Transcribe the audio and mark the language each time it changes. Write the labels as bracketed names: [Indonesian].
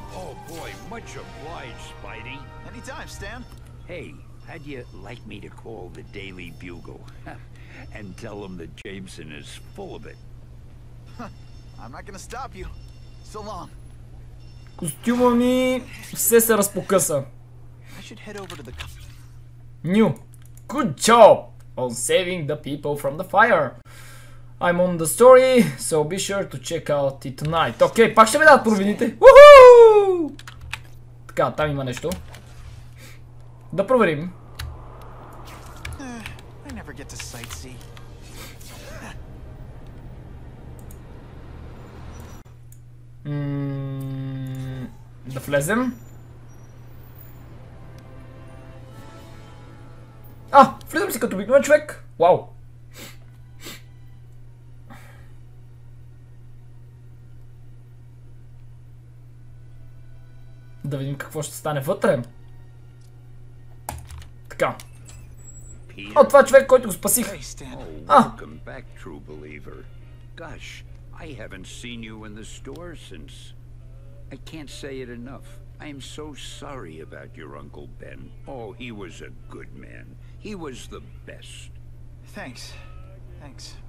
[English] О, бой, much obliged, Spidey. Anytime, Stan. Hey, how'd you like me to call the Daily Bugle? And tell them that Jameson is full of it. I'm not gonna stop you. So long. [Bulgarian] Костюма ми все се разпокъса. [English] I should head over to the... Ню! Good job on saving the people from the fire. I'm on the story, so be sure to check out it tonight. [Bulgarian] Окей, пак ще ми дадат провините. Уху! Така, там има нещо. Да проверим. [English] I never get to sightsee. [Bulgarian] Да влезем. А, влизам си като обикновен човек. Вау. Да видим какво ще стане вътре. Така. О, това е човек, който го спасих. [English] Hey, Stan. Welcome back, true believer. Gosh, I haven't seen you in the store since. I can't say it enough. I'm so sorry about your Uncle Ben. Oh, he was a good man. He was the best. Thanks. Thanks.